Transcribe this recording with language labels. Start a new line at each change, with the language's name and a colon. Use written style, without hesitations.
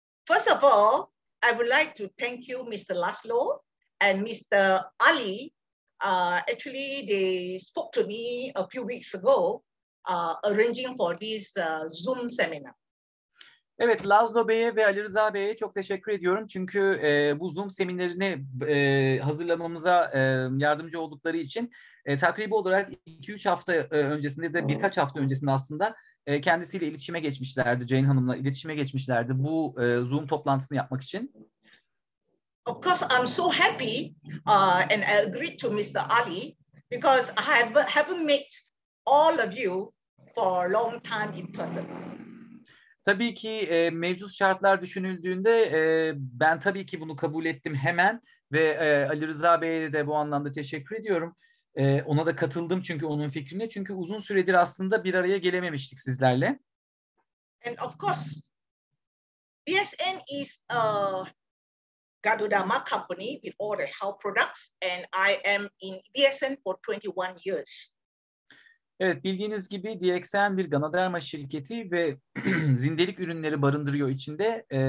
English: First of all, I would like to thank you, Mr. Laszlo and Mr. Ali. Actually, they spoke to me a few weeks ago, arranging for this Zoom seminar.
Turkish: Evet, Laszlo Bey'e ve Ali Rıza Bey'e çok teşekkür ediyorum. Çünkü bu Zoom seminerini hazırlamamıza yardımcı oldukları için takribi olarak 2-3 hafta öncesinde de birkaç hafta öncesinde aslında kendisiyle iletişime geçmişlerdi. Jane Hanım'la iletişime geçmişlerdi bu Zoom toplantısını yapmak için.
English: Of course, I'm so happy and I agreed to Mr. Ali because I haven't met all of you for a long time in person.
Turkish: Tabii ki mevcut şartlar düşünüldüğünde ben tabii ki bunu kabul ettim hemen ve Ali Rıza Bey'e de bu anlamda teşekkür ediyorum. Ona da katıldım çünkü onun fikrine. Çünkü uzun süredir aslında bir araya gelememiştik sizlerle.
English: And of course, DSN is a Garudama company with all the health products and I am in DSN for 21 years.
Turkish: Evet, bildiğiniz gibi DXN bir Ganoderma şirketi ve zindelik ürünleri barındırıyor içinde.